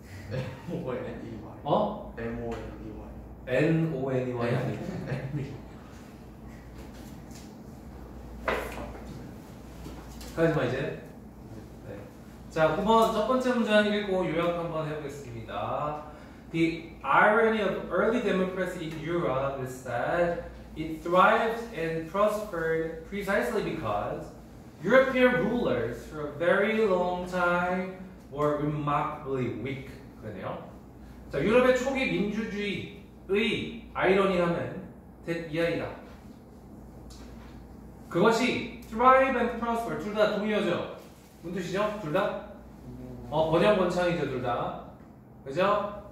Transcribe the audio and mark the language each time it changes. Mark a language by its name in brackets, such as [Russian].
[English] M-O-N-E-Y. [Korean] 어? [English] M-O-N-E-Y. N-O-N-E-Y 아니고? M-E-Y. [Korean] 하지마 이제. 자, 9번 첫 번째 문제 한 읽고 요약 한번 해보겠습니다. [English] The irony of early democracy in Europe is that it thrived and prospered precisely because European rulers for a very long time were remarkably weak. [Korean] 그러네요. 자, 유럽의 초기 민주주의의 아이러니함은 이하이다. 그것이 thrive and prosper 둘 다 동의어죠. 문 뜻이죠? 둘 다? 어, 번영번창이죠, 둘 다. 그죠?